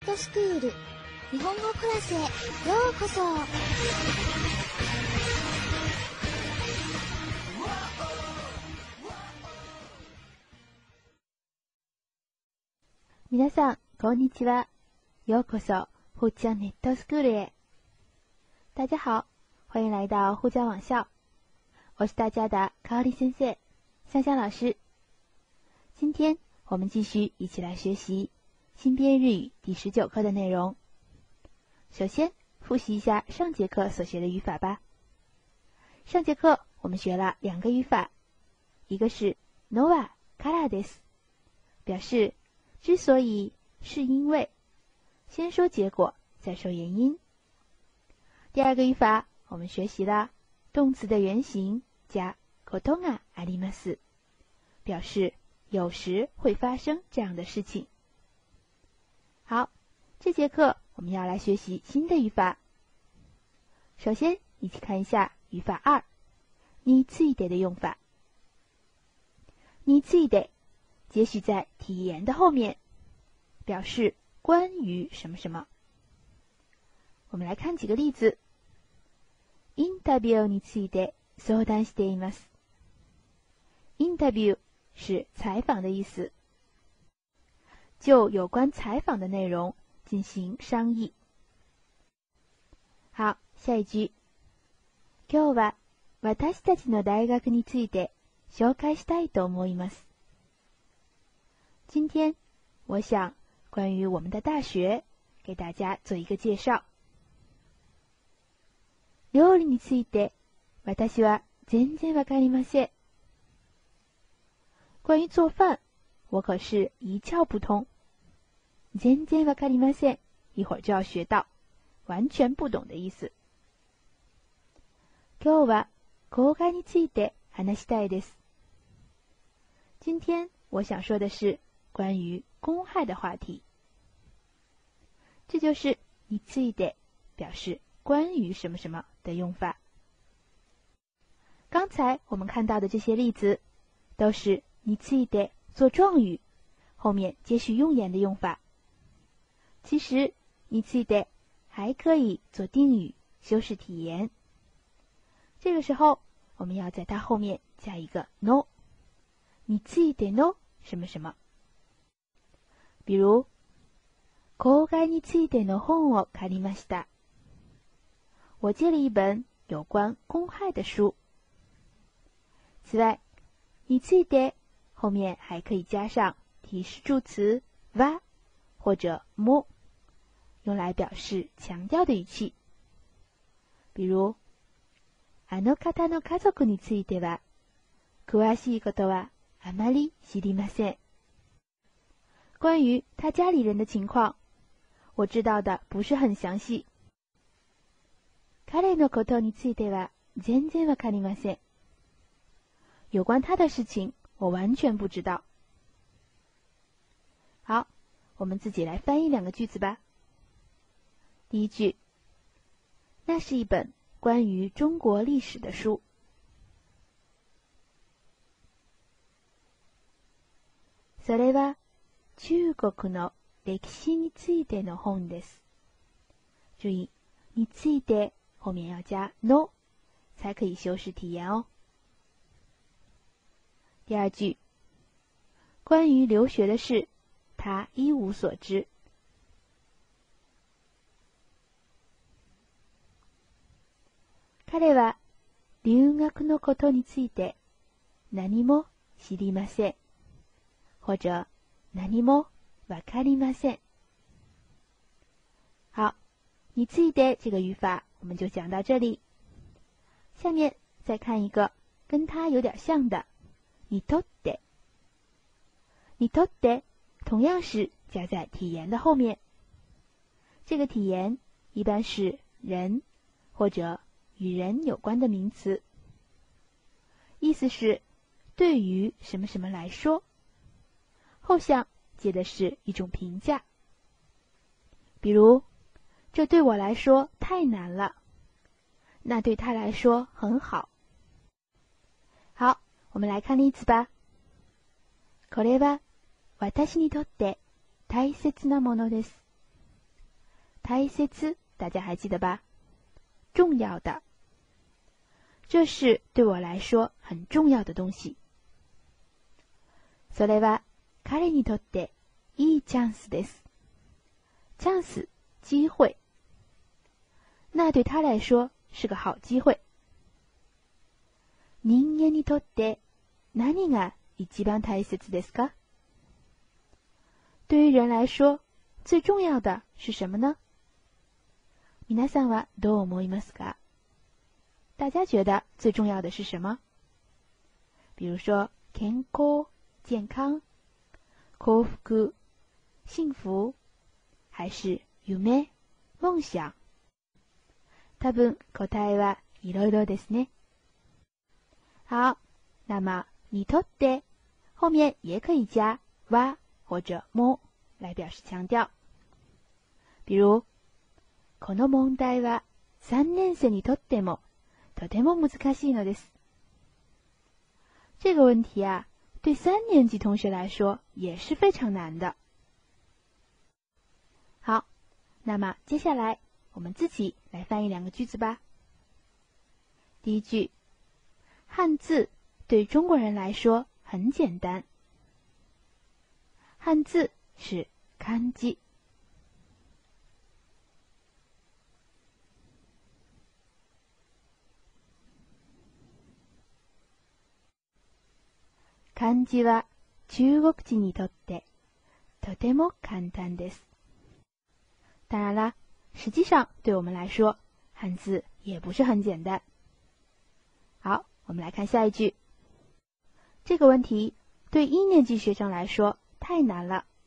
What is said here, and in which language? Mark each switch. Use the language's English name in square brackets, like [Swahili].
[Japanese] トスクール日本語クラスへようこそ。皆さんこんにちは。ようこそ沪江ネットスクールへ。 [Chinese] 大家好，欢迎来到沪江网校。我是大家的卡奥利先生，香香老师。今天我们继续一起来学习新编日语第十九课的内容。首先复习一下上节课所学的语法吧。上节课我们学了两个语法，一个是 [Japanese] nova kara desu， [Chinese] 表示之所以，是因为，先说结果再说原因。第二个语法我们学习了动词的原型加 [Japanese] koto ga arimasu， [Chinese] 表示有时会发生这样的事情。好，这节课我们要来学习新的语法。首先一起看一下语法二，についてで的用法。についてで接续在体言的后面，表示关于什么什么。我们来看几个例子。 [Japanese] インタビューについて相談しています。 [Chinese] インタビュー是采访的意思，就有关采访的内容进行商议。好，下一句。 [Japanese] 今日は私たちの大学について紹介したいと思います。 [Chinese] 今天我想关于我们的大学给大家做一个介绍。 [Japanese] 料理について私は全然わかりません。 [Chinese] 关于做饭我可是一窍不通。 [Japanese] 全然わかりません， [Chinese] 一会儿就要学到，完全不懂的意思。 [Japanese] 今日は公開について話したいです。 [Chinese] 今天我想说的是关于公害的话题。这就是について表示关于什么什么的用法。刚才我们看到的这些例子都是について做状语后面接续用言的用法。其实について还可以做定语修饰体言，这个时候我们要在它后面加一个 no， [Japanese] についての [Chinese] 什么什么。比如 [Japanese] 公開についての本を借りました， [Chinese] 我借了一本有关公害的书。此外 [Japanese] について [Chinese] 后面还可以加上提示助词は或者も，用来表示强调的语气。比如 [Japanese] あの方の家族については詳しいことはあまり知りません， [Chinese] 关于他家里人的情况我知道的不是很详细。 [Japanese] 彼のことについては全然わかりません， [Chinese] 有关他的事情我完全不知道。好，我们自己来翻译两个句子吧。第一句，那是一本关于中国历史的书。 [Japanese] それは中国の歴史についての本です。 [Chinese] 注意，について后面要加 no， 才可以修饰体言哦。第二句，关于留学的事，他一无所知。 [Japanese] 彼は留学のことについて何も知りません，或者何もわかりません。 [Chinese] 好，について这个语法我们就讲到这里。下面再看一个跟它有点像的， [Japanese] にとって。 [Chinese] にとって同样是加在体言的后面。这个体言一般是人或者与人有关的名词，意思是对于什么什么来说，后向接的是一种评价。比如这对我来说太难了，那对他来说很好。好，我们来看例子吧。 [Japanese] これは私にとって大切なものです。 [Chinese] 大切，大家还记得吧？重要的，这是对我来说很重要的东西。 [Japanese] それは彼にとっていいチャンスです。 [Chinese] チャンス，机会。那对他来说是个好机会。 [Japanese] 人間にとって何が一番大切ですか？ [Chinese] 对于人来说，最重要的是什么呢？ [Japanese] 皆さんはどう思いますか？ [Chinese] 大家觉得最重要的是什么？比如说健康，健康，幸福，幸福，还是夢，梦想。 [Japanese] 多分答えはいろいろですね。 [Chinese] 好，那么你とって后面也可以加は或者も来表示强调。比如 [Japanese] この問題は三年生にとってもとても難しいのです。 [Chinese] 这个问题啊，对三年级同学来说也是非常难的。好，那么接下来我们自己来翻译两个句子吧。第一句，汉字对中国人来说很简单。汉字是漢字。 [Japanese] 漢字は中国人にとってとても簡単です。 [Chinese] 当然啦，实际上对我们来说，汉字也不是很简单。好，我们来看下一句。这个问题对一年级学生来说太难了。